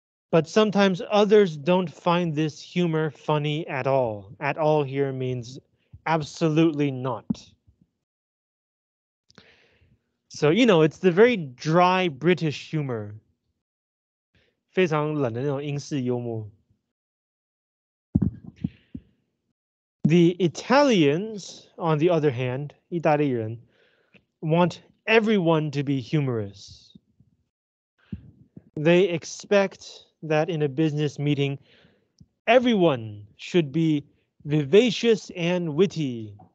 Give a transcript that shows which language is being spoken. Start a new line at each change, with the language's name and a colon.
English: But sometimes others don't find this humor funny at all. At all here means absolutely not. So, you know, it's the very dry British humor.
Chinese: 非常冷的那种英式幽默.
English: The Italians, on the other hand, 意大利人, want everyone to be humorous. They expect that in a business meeting, everyone should be vivacious and witty.